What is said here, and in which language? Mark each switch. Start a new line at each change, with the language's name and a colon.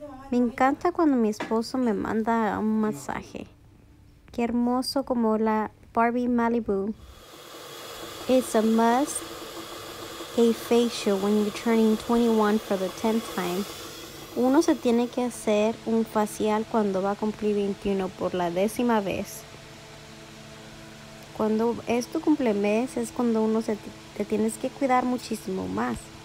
Spanish: Me encanta cuando mi esposo me manda un masaje. Qué hermoso como la Barbie Malibu.
English: It's a must, a facial when you're turning 21 for the 10th time.
Spanish: Uno se tiene que hacer un facial cuando va a cumplir 21 por la décima vez. Cuando es tu cumplemes es cuando uno se te tienes que cuidar muchísimo más.